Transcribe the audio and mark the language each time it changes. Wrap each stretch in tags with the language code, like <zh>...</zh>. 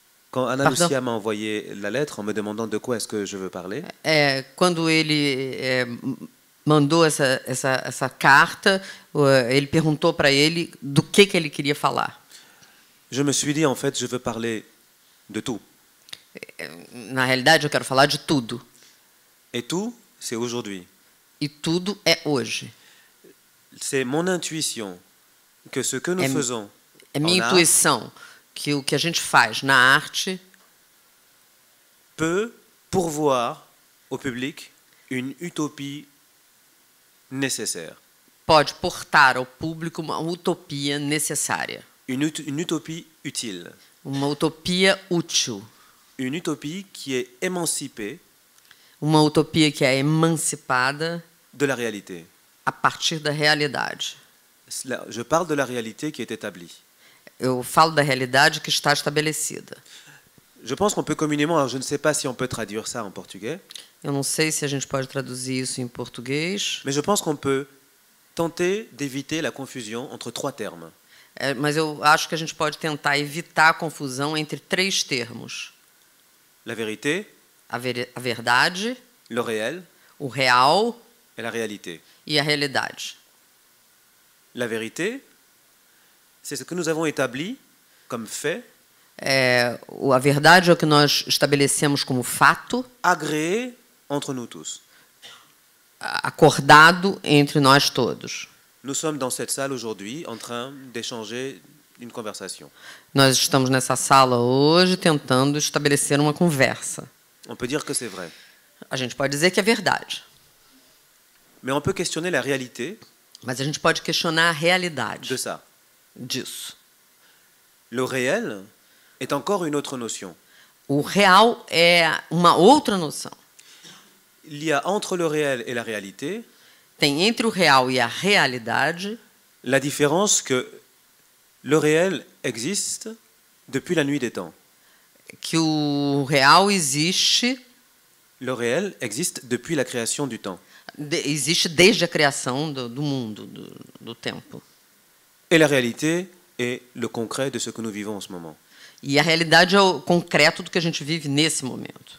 <fr>Quand Ana Lucia m'a envoyé la lettre en me demandant de quoi est-ce que je veux parler.</fr> <pt>Quand ele mandou essa carta, ele perguntou para ele do que ele queria falar.</pt> <fr>Je me suis dit en fait, je veux parler de tout.</fr> <pt>Na realidade, eu quero falar de tudo.</pt> <fr>Et tout, c'est aujourd'hui.</fr> <pt>E tudo é hoje.</pt> <fr>C'est mon intuition que ce que nous faisons.</fr> <pt>É minha intuição que o que a gente faz na arte</pt> <fr>peut pourvoir au public une utopie nécessaire.</fr> <pt>Pode portar ao público uma utopia necessária.</pt> <fr>Une utopie utile.</fr> <pt>Uma utopia útil.</pt> <fr>Une utopie qui est émancipée.</fr> <pt>Uma utopia que é emancipada.</pt> <fr>De la réalité.</fr> <pt>A partir da realidade.</pt> <fr>Je parle de la réalité qui est établie.</fr> <pt>Eu falo da realidade que está estabelecida.</pt> <fr>Je pense qu'on peut communément, je ne sais pas si on peut traduire ça en portugais.</fr> <pt>Eu não sei se a gente pode traduzir isso em português.</pt> <fr>Mais je pense qu'on peut tenter d'éviter la confusion entre trois termes.</fr> <pt>Mas eu acho que a gente pode tentar evitar a confusão entre três termos.</pt> <fr>La vérité.</fr> <pt>A verdade.</pt> <fr>Le réel.</fr> <pt>O real.</pt> <fr>Et la réalité.</fr> <pt>E a realidade.</pt> <fr>La vérité, c'est ce que nous avons établi comme fait.</fr> <pt>A verdade é o que nós estabelecemos como fato.</pt> <fr>Agréé entre nous tous.</fr> <pt>Acordado entre nós todos.</pt> <fr>Nous sommes dans cette salle aujourd'hui en train d'échanger une conversation.</fr> <pt>Nós estamos nessa sala hoje tentando estabelecer uma conversa.</pt> <fr>On peut dire que c'est vrai.</fr> <pt>A gente pode dizer que é verdade.</pt> <fr>Mais on peut questionner la réalité.</fr> <pt>Mas a gente pode questionar a realidade.</pt> <fr>De ça.</fr> <pt>Disso.</pt> <fr>Le réel est encore une autre notion.</fr> <pt>O real é uma outra noção.</pt> <fr>Il y a entre le réel et la réalité.</fr> <pt>Tem entre o real e a realidade.</pt> <fr>La différence que le réel existe depuis la nuit des temps.</fr> <pt>Que o real existe.</pt> <fr>Le réel existe depuis la création du temps.</fr> <pt>Existe desde a criação do mundo, do tempo.</pt> <fr>Et la réalité est le concret de ce que nous vivons en ce moment.</fr> <pt>E a realidade é o concreto do que a gente vive nesse momento.</pt>